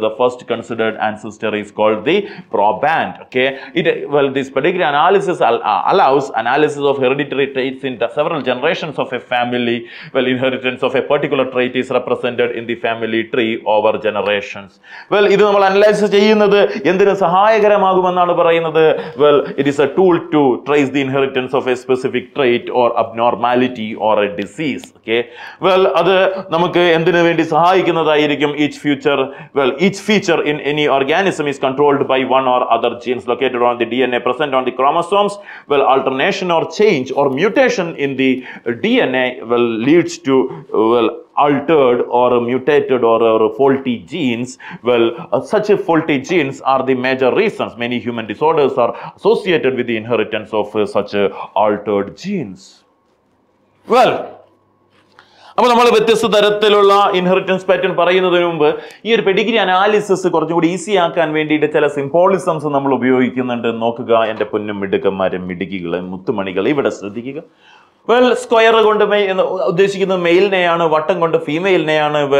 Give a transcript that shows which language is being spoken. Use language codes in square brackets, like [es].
[en] the first considered ancestor is called the proband. Okay, this pedigree analysis allows analysis of hereditary traits in several generations of a family. Well, inheritance of a particular trait is represented in the family tree over generations. [ml] Well, ഇത് നമ്മൾ analyse ചെയ്യുന്നത് എന്തിനു സഹായകരമാകുമെന്നാണ് പറയുന്നത്. [en] Well, it is a tool to trace the inheritance of a specific trait or abnormality or a disease. [ml] Okay, well, അത് നമുക്ക് എന്തിനു വേണ്ടി സഹായിക്കുന്നതായിരിക്കും. [en] Each feature in any organism is controlled by one or other genes located on the DNA present on the chromosomes. Well, alternation or change or mutation in the DNA leads to altered or mutated or faulty genes. Such faulty genes are the major reasons many human disorders are associated with the inheritance of such altered genes. [ml] അപ്പോൾ നമ്മൾ വ്യത്യസ്ത തരത്തിലുള്ള inheritance pattern പറയുന്നതിന് മുമ്പ് ഈ ഒരു Pedigree analysis കുറച്ചുകൂടി easy ആക്കാൻ വേണ്ടിയിട്ട് ചില സിംബോളിസംസ് നമ്മൾ ഉപയോഗിക്കുന്നുണ്ട്. നോക്കുക, എൻ്റെ പൊന്നും മിടുക്കന്മാരും മിടുക്കികളും മുത്തുമണികളും ഇവിടെ ശ്രദ്ധിക്കുക. സ്ക്വയർ കൊണ്ട് ഉദ്ദേശിക്കുന്നത് മെയിലിനെയാണ്, വട്ടം കൊണ്ട് ഫീമെയിലിനെയാണ്.